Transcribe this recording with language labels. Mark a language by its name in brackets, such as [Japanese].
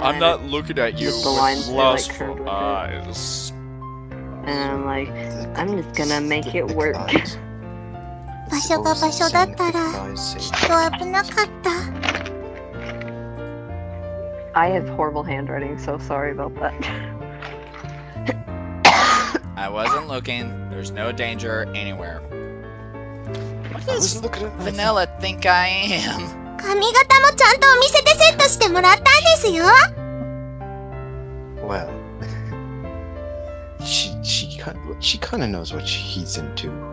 [English] I'm not looking at you with lustful eyes. And I'm like, I'm just gonna make it work. [Japanese] 場所が場所だったら、きっと危なかった。 [English] I have horrible handwriting, so sorry about that. I wasn't looking. There's no danger anywhere. What does Vanilla think I am? [Japanese] 髪型もちゃんとお店でセットしてもらったんですよ。 [English] Well, she kind of knows what he's into.